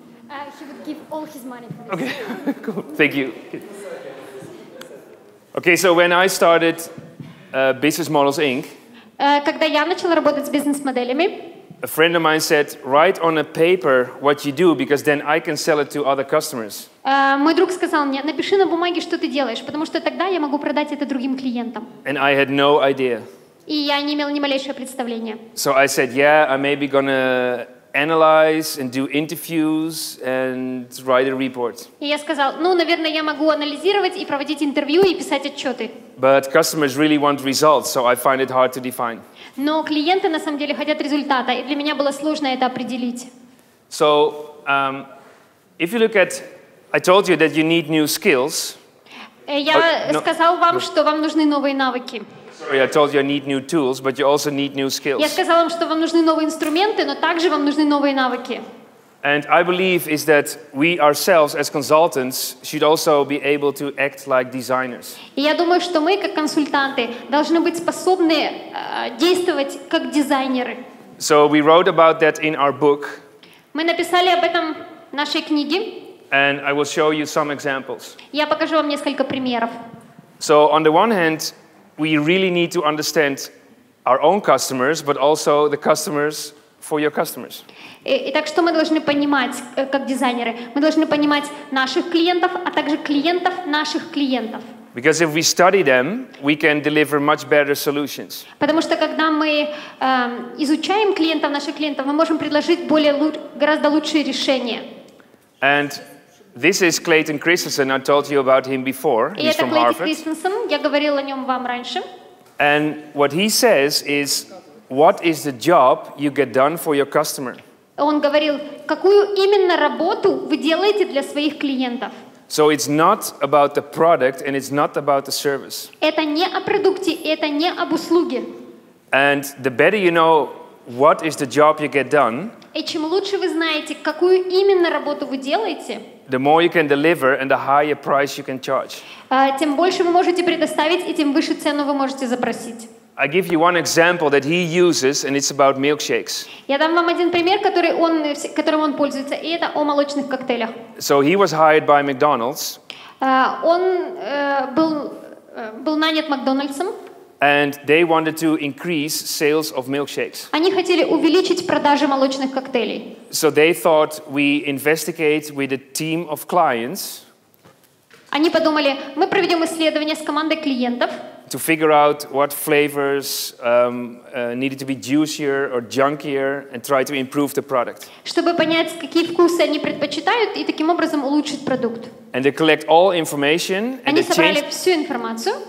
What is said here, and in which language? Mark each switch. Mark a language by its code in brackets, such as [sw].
[en] He would give all his money for this. Okay. Cool. Thank you. Okay, so when I started Business Models Inc., [ru] когда я начала работать с бизнес-моделями, [en] a friend of mine said, write on a paper what you do, because then I can sell it to other customers. [ru] Мой друг сказал мне, напиши на бумаге, что ты делаешь, потому что тогда я могу продать это другим клиентам. [en] And I had no idea. [ru] И я не имела ни малейшего представления. [en] So I said, yeah, I'm maybe gonna analyze and do interviews and write a report. [ru] И я сказал, ну, наверное, я могу анализировать и проводить интервью и писать отчеты. [en] But customers really want results, so I find it hard to define. [ru] Но клиенты на самом деле хотят результата, и для меня было сложно это определить. [en] So, if you look at, I told you that you need new skills. [ru] Я сказал вам, что вам нужны новые навыки. [en] Sorry, I told you I need new tools, but you also need new skills. [ru] Я сказала вам, что вам нужны новые инструменты, но также вам нужны новые навыки. [en] And I believe is that we ourselves as consultants should also be able to act like designers. [ru] И я думаю, что мы как консультанты должны быть способны действовать как дизайнеры. [en] So we wrote about that in our book. [ru] Мы написали об этом в нашей книге. [en] And I will show you some examples. [ru] Я покажу вам несколько примеров. [en] So on the one hand, we really need to understand our own customers, but also the customers for your customers. [ru] Итак, что мы должны понимать как дизайнеры? Мы должны понимать наших клиентов, а также клиентов наших клиентов. [en] Because if we study them, we can deliver much better solutions. [ru] Потому что когда мы изучаем клиентов наших клиентов, мы можем предложить более гораздо лучшие решения. [en] And this is Clayton Christensen. I told you about him before. He's from Harvard. [ru] Clayton Christensen. Я говорила о нем вам раньше. [en] And what he says is, what is the job you get done for your customer? [ru] он говорил, какую именно работу вы делаете для своих клиентов. [en] So it's not about the product and it's not about the service. [ru] Это не о продукте, это не об услуге. [en] And the better you know what is the job you get done, [ru] и чем лучше вы знаете, какую именно работу вы делаете, [en] the more you can deliver and the higher price you can charge. [ru] Тем больше вы можете предоставить и тем выше цену вы можете запросить. [en] I give you one example that he uses and it's about milkshakes. [ru] Я дам вам один пример, которым он пользуется, и это о молочных коктейлях. [en] So he was hired by McDonald's. [ru] Он был нанят Макдональдсом. [en] And they wanted to increase sales of milkshakes. [ru] Они хотели увеличить продажи молочных коктейлей. [en] So they thought we investigate with a team of clients. [ru] Они подумали, мы проведем исследование с командой клиентов. [en] To figure out what flavors needed to be juicier or junkier and try to improve the product. [ru] Чтобы понять, какие вкусы они предпочитают и таким образом улучшить продукт. [en] And they collect all information and [ru] они собрали всю информацию.